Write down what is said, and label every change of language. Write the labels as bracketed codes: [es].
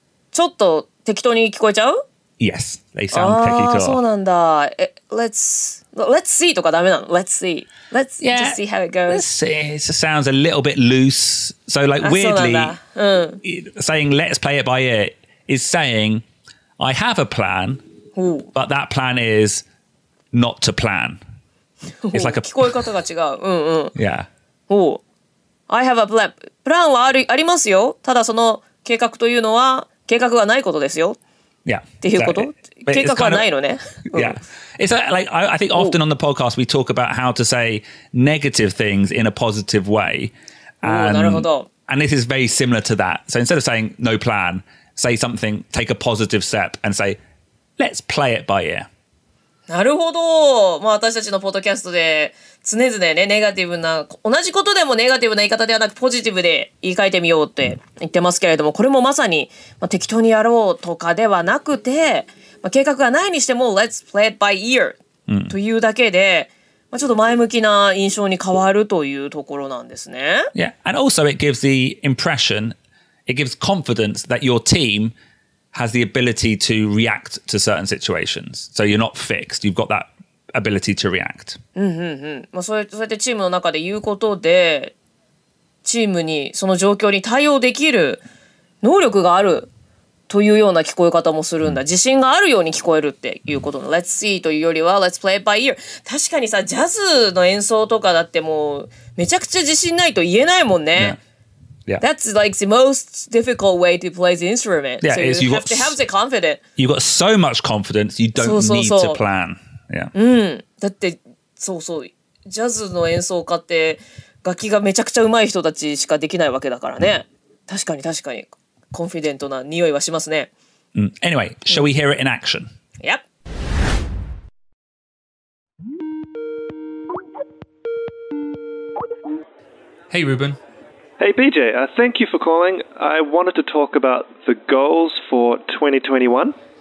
[ja] ちょっと適当に聞こえちゃう? [en] Yes, they sound 適当。 [ja] そうなんだ。 [en] Let's see [ja] とかダメなの? [en] Let's see. Let's just see how it goes. It just sounds a little bit loose. So, like, weirdly, saying let's play it by ear is saying... I have a plan, but that plan is not to plan. [ja] It's like a... 聞こえ方が違う。 [en] Yeah. I have a plan. [ja] プランはありますよ。ただその計画というのは計画がないことですよ。 [en] Yeah. [ja] っていうこと?Exactly. 計画はないのね。 [en] Yeah. It's like, I think often on the podcast we talk about how to say negative things in a positive way. [ja] And, なるほど。 [en] And this is very similar to that. So instead of saying no plan... Say something, take a positive step and say, let's play it by ear. [ja] なるほど。まあ私たちのポッドキャストで常々ね、ネガティブな、同じことでもネガティブな言い方ではなくポジティブで言い換えてみようって言ってますけれども、これもまさに、まあ、適当にやろうとかではなくて、まあ、計画がないにしても [en] let's play it by ear [ja] というだけで、まあ、ちょっと前向きな印象に変わるというところなんですね。 [en] Yeah, and also it gives the impressionIt gives confidence that your team has the ability to react to certain situations. So you're not fixed. You've got that ability to react. [ja] まあ、そうやってチームの中で言うことで、チームにその状況に対応できる能力があるというような聞こえ方もするんだ。自信があるように聞こえるっていうことの。 [en] Let's see [ja] というよりは、 [en] Let's play it by ear. [ja] 確かにさ、ジャズの演奏とかだってもうめちゃくちゃ自信ないと言えないもんね。 [en] Yeah. Yeah. That's like the most difficult way to play the instrument. Yeah, so you have to have the confidence. You've got so much confidence, you don't need to plan. Yeah. [ja] だって、そうそう。ジャズの演奏家って楽器がめちゃくちゃ上手い人たちしかできないわけだからね。確かに確かに。コンフィデントな匂いはしますね。 [en] Anyway, shall we hear it in action? Yep. Hey, Ruben. Hey BJ, thank you for calling. I wanted to talk about the goals for 2021.